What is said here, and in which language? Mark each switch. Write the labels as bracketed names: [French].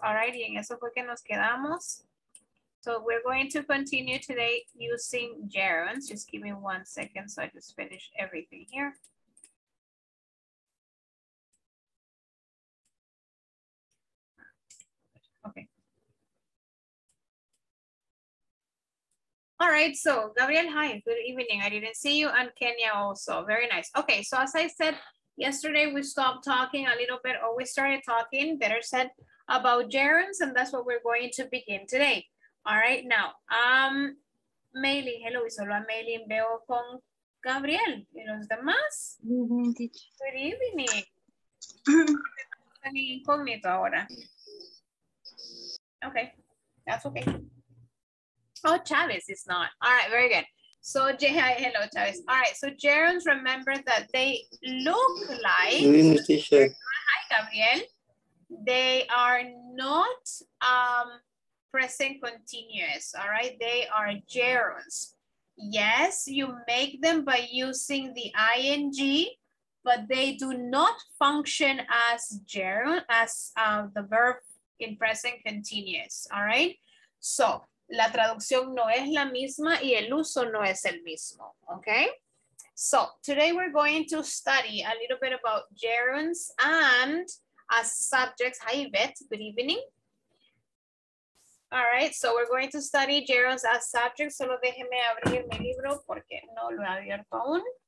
[Spanish] All right, y en eso fue que nos quedamos. [English] So we're going to continue today using gerunds. Just give me 1 second so I just finish everything here. Okay. All right, so Gabriel, hi, good evening. I didn't see you, and Kenya also, very nice. Okay, so as I said, yesterday we stopped talking a little bit, or we started talking, better said, about gerunds, and that's what we're going to begin today. All right, now, [Spanish] Meili, [English] hello, [Spanish] y solo a Meili veo con Gabriel y los demás. [English] Good evening. Any incognito [Spanish] ahora. [English] Okay, that's okay. Oh, Chavez is not. All right, very good. So, hi, hello, Chavez. All right, so gerunds, remember that they look like. Good evening, teacher. Hi, Gabriel. They are not. Present continuous, all right? They are gerunds. Yes, you make them by using the ing, but they do not function as gerund, as the verb in present continuous, all right? [Spanish] So, la traducción no es la misma y el uso no es el mismo, okay? [English] So, today we're going to study a little bit about gerunds and as subjects. Hi, Yvette, good evening. All right, so we're going to study gerunds as subjects. [Spanish] Solo déjeme abrir mi libro porque no lo he abierto aún.